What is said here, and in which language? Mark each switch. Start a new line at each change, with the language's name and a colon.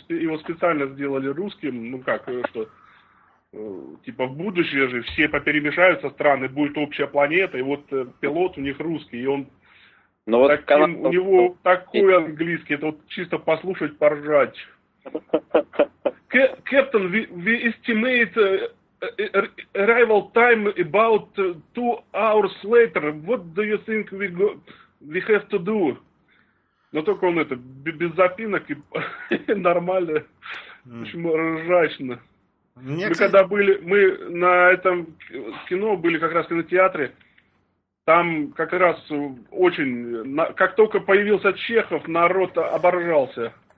Russian: Его специально сделали русским. Ну, как, что... Типа, в будущее же все поперемешаются страны, будет общая планета, и вот пилот у них русский, и он... Но таким, вот канал... У него такой английский, это вот чисто послушать, поржать...
English: Captain, we estimate arrival time about 2 hours later. What do you think we have to do?
Russian: Но только он это, без запинок и нормально, очень ржачно. Мы когда были, мы на этом кино были как раз в кинотеатре, там как раз очень, как только появился Чехов, народ оборжался.